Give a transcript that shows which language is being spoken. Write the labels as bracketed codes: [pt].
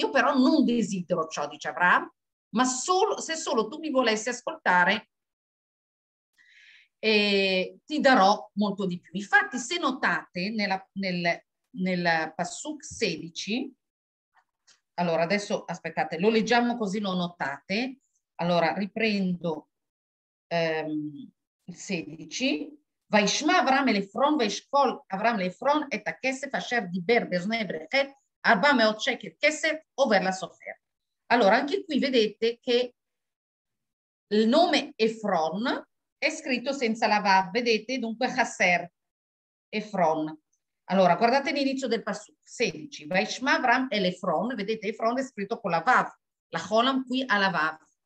[it] Io però non desidero ciò, dice Avram, ma solo, se solo tu mi volessi ascoltare, ti darò molto di più. Infatti, se notate nel Passuk 16, allora adesso aspettate, lo leggiamo così lo notate. Allora riprendo il 16. [he] וישמע אברהם אל עפרון וישקול אברהם לעפרון את הכסף אשר דיבר באוזני ברכת 400 שקל כסף עובר לסופר. [it] Allora anche qui vedete che il nome Efron è scritto senza la vav, vedete? Dunque Chaser Efron. Allora guardate l'inizio del passo 16. [he] וישמע אברהם אל עפרון, [it] vedete Efron è scritto con la vav, la colon qui alla vav.